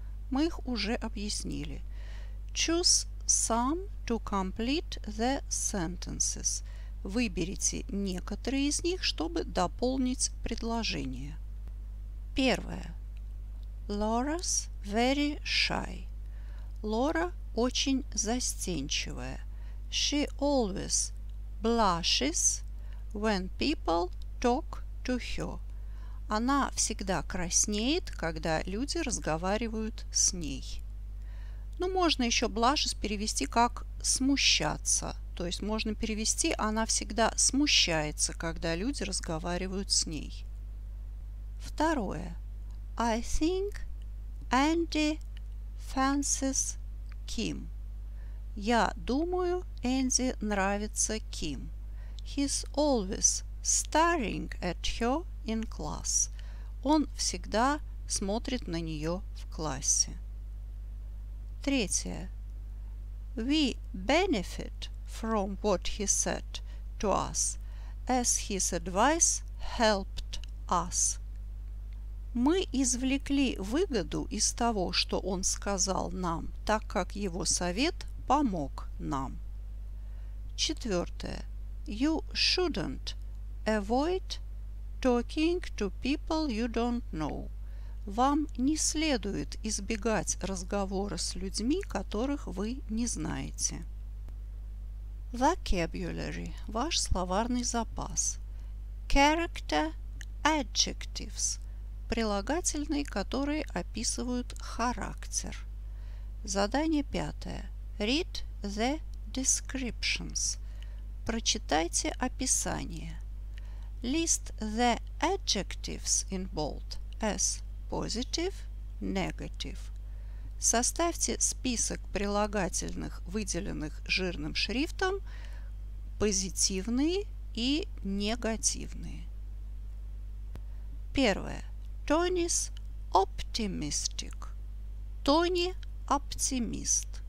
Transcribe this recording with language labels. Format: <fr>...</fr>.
<ru>Мы их уже объяснили.</ru> <en>Choose some to complete the sentences.</en> <ru>Выберите некоторые из них, чтобы дополнить предложение. Первое.</ru> <en>Laura's very shy.</en> <ru>Лора очень застенчивая.</ru> <en>She always blushes when people talk to her.</en> <ru>Она всегда краснеет, когда люди разговаривают с ней. Ну, можно еще blushes перевести как смущаться. То есть можно перевести, она всегда смущается, когда люди разговаривают с ней. Второе.</ru> <en>I think Andy fancies Kim.</en> <ru>Я думаю, Энди нравится Ким.</ru> <en>He's always staring at her in class.</en> <ru>Он всегда смотрит на нее в классе. Третье.</ru> <en>We benefit from what he said to us, as his advice helped us.</en> <ru>Мы извлекли выгоду из того, что он сказал нам, так как его совет помог нам. Четвертое.</ru> <en>You shouldn't avoid talking to people you don't know.</en> <ru>Вам не следует избегать разговора с людьми, которых вы не знаете. Vocabulary – ваш словарный запас.</ru> <en>Character adjectives</en> <ru>– прилагательные, которые описывают характер. Задание 5.</ru> <en>Read the descriptions.</en> <ru>Прочитайте описание.</ru> <en>List the adjectives in bold as positive, negative.</en> <ru>Составьте список прилагательных, выделенных жирным шрифтом, позитивные и негативные. Первое.</ru> <en>Tony's optimistic.</en> <ru>Тони – оптимист.</ru>